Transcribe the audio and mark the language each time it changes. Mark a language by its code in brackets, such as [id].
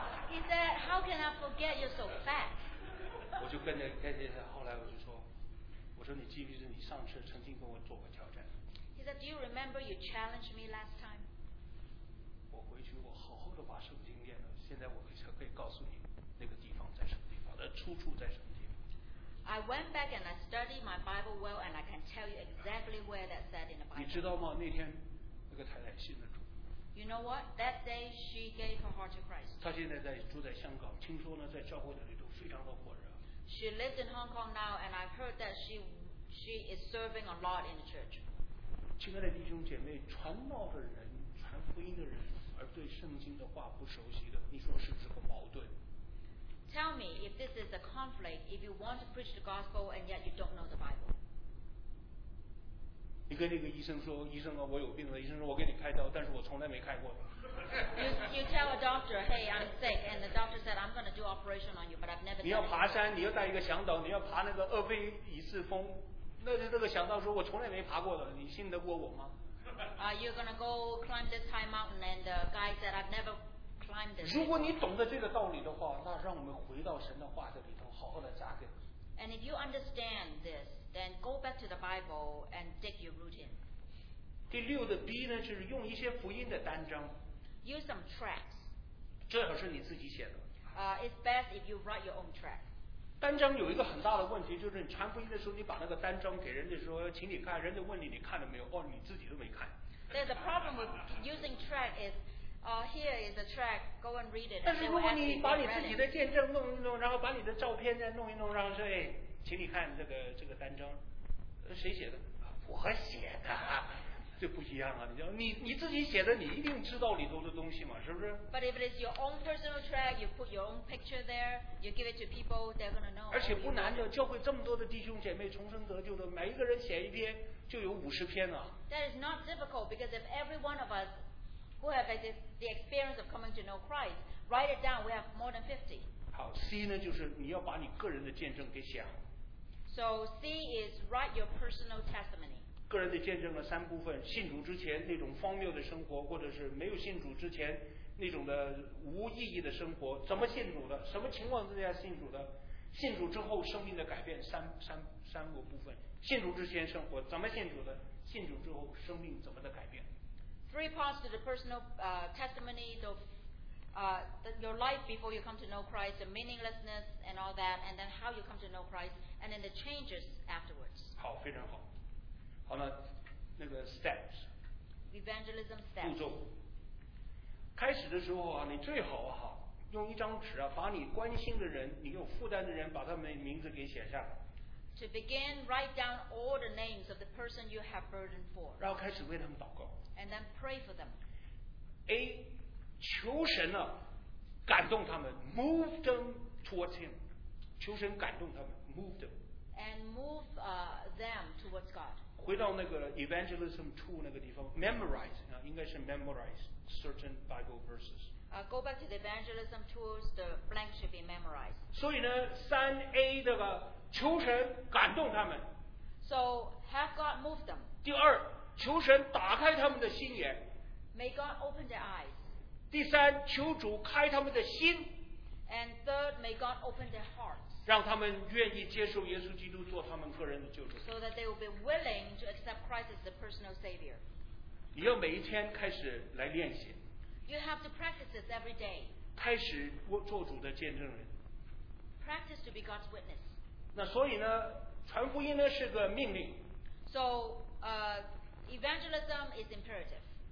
[en] He said, how can I forget you're so fat? [zh] 我就跟着后来我就说，我说你记不记得你上次曾经跟我做过挑战？ [en] He said, do you remember you challenged me last time? [zh] 我回去我好好的把圣经念了，现在我可以告诉你那个地方在什么地方，那出处在什么地方。 [en] I went back and I studied my Bible well and I can tell you exactly where that said in the Bible. [zh] 你知道吗？那天那个太太信了主。 [en] You know what? That day she gave her heart to Christ. [zh] 她现在住在香港，听说呢在教会里头非常的火热。 [en] She lives in Hong Kong now and I've heard that she is serving a lot in the church. [zh] 亲爱的弟兄姐妹，传道的人，传福音的人，而对圣经的话不熟悉的，你说是不是个矛盾？ [en] Tell me if this is a conflict, if you want to preach the gospel and yet you don't know the Bible. [zh] 你跟那个医生说，医生啊，我有病了。医生说我给你开刀，但是我从来没开过。 [en] You tell a doctor, hey, I'm sick, and the doctor said I'm going to do operation on you, but I've never. [zh] 你要爬山，你要带一个向导，你要爬那个厄斐一次峰，那个向导说我从来没爬过的，你信得过我吗？ [en] You're going to go climb this high mountain, and the guy said I've never. [zh] 如果你懂得这个道理的话，那让我们回到神的话这里头，好好的扎根。 [en] And if you understand this, then go back to the Bible and dig your root in. [zh] 第六的 B 呢，就是用一些福音的单章。 [en] Use some tracts. [zh] 最好是你自己写的。 [en] It's best if you write your own tract. [zh] 单章有一个很大的问题，就是你传福音的时候，你把那个单章给人家说，请你看，人家问你你看了没有？哦，你自己都没看。 [en] There's a problem with using tract is. Here is a track. Go and read it. [zh] 但是如果你把你自己的见证弄一弄，然后把你的照片再弄一弄，然后说，哎，请你看这个单章，谁写的？我写的。这不一样啊，你自己写的，你一定知道里头的东西嘛，是不是？ [en] But if it is your own personal track, you put your own picture there, you give it to people, they're gonna know. [zh] 而且不难的，教会这么多的弟兄姐妹重生得救的，每一个人写一篇就有五十篇了。 [en] That is not difficult because if every one of us who have the experience of coming to know Christ write it down, we have more than 50. [zh] 好 ，C 呢，就是你要把你个人的见证给写好。 [en] So C is write your personal testimony. [zh] 个人的见证了三部分，信主之前那种荒谬的生活，或者是没有信主之前那种的无意义的生活，怎么信主的，什么情况之下信主的，信主之后生命的改变，三个部分，信主之前生活怎么信主的，信主之后生命怎么的改变。 [en] Three parts to the personal testimony of your life before you come to know Christ, the meaninglessness and all that, and then how you come to know Christ, and then the changes afterwards. [zh] 好，非常好。好了，那个 steps， [en] evangelism steps [zh] 步骤。开始的时候啊，你最好啊，用一张纸啊，把你关心的人，你有负担的人，把他们名字给写下。 [en] To begin, write down all the names of the person you have burden for. [zh] 然后开始为他们祷告。 [en] And then pray for them. [zh] A， 求神啊，感动他们 ， [en] move them towards Him。 [zh] 求神感动他们 ， [en] move them。 And move them towards God. [zh] 回到那个 evangelism tool 那个地方 ，memorize 啊，应该是 [en] memorize certain Bible verses. Go back to the evangelism tools. The blank should be memorized. [zh] 所以呢，三 A 这个求神感动他们。 [en] So have God move them. [zh] 第二，求神打开他们的心眼。 [en] May God open their eyes. [zh] 第三，求主开他们的心。 [en] And third, may God open their hearts. [zh] 让他们愿意接受耶稣基督做他们个人的救主。 [en] So that they will be willing to accept Christ as the personal savior. [zh] 你要每一天开始来练习。 [en] You have to practice this every day. [zh] 开始做主的见证人。 [en] Practice to be God's witness. [zh] 那所以呢，传福音呢是个命令。 [en] So, evangelism is imperative.